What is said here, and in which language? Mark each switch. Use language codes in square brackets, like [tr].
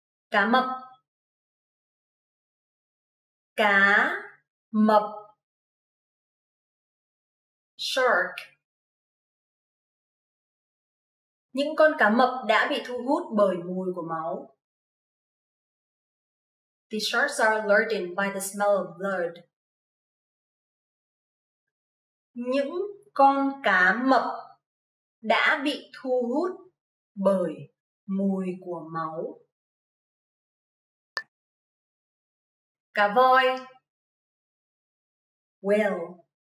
[vi] Cá mập. Cá mập. [en] Shark. [vi] Những con cá mập đã bị thu hút bởi mùi của máu. [en] The sharks are lured by the smell of blood. [vi] Những con cá mập đã bị thu hút bởi mùi của máu. Cá voi. [en] Whale.